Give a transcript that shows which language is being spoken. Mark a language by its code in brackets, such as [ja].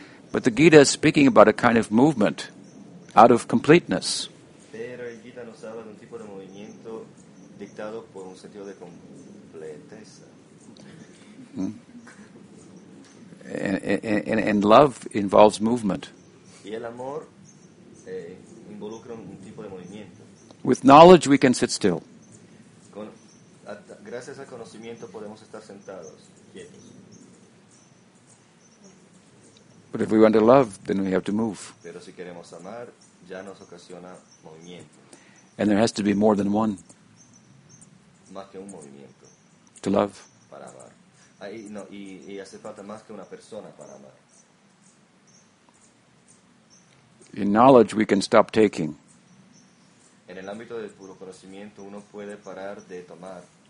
[en] But the Gita is speaking about a kind of movement out of completeness. [es] Pero el Gita nos habla de un tipo de movimiento dictado por un sentido de completeza. [en] And love involves movement. [es] Y el amor involucra un tipo de movimiento. [en] With knowledge we can sit still. [es] Gracias al conocimiento podemos estar sentados, quietos. [en] But if we want to love, then we have to move. [es] Pero si queremos amar, ya nos ocasiona movimiento. [en] And there has to be more than one. [es] Más que un movimiento. [en] To love. [es] Para amar. Ahí, no, y hace falta más que una persona para amar. [en] In knowledge, we can stop taking. [es] En el ámbito del puro conocimiento, uno puede parar de tomar.